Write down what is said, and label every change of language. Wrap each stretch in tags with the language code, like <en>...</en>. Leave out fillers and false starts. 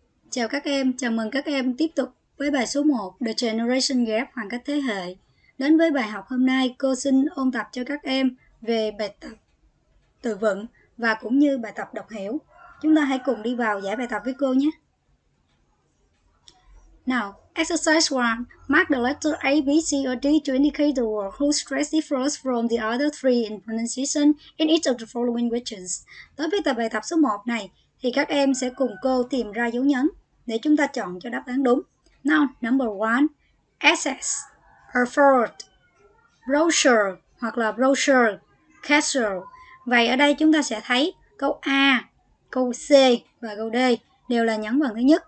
<vi>Chào các em, chào mừng các em tiếp tục với bài số 1 The Generation Gap, khoảng cách thế hệ. Đến với bài học hôm nay, cô xin ôn tập cho các em về bài tập từ vựng và cũng như bài tập đọc hiểu. Chúng ta hãy cùng đi vào giải bài tập với cô nhé.</vi> <en>Now, exercise 1. Mark the letter A, B, C or D to indicate the word whose stress differs from the other three in pronunciation in each of the following regions.</en> <vi>Đối với tập bài tập số 1 này, thì các em sẽ cùng cô tìm ra dấu nhấn để chúng ta chọn cho đáp án đúng.</vi> <en>Now, number 1, SS, Erfurt, Brochure</en> <vi>hoặc là</vi> <en>Brochure, Castle.</en> <vi>Vậy ở đây chúng ta sẽ thấy câu A, câu C và câu D đều là nhấn vần thứ nhất.</vi>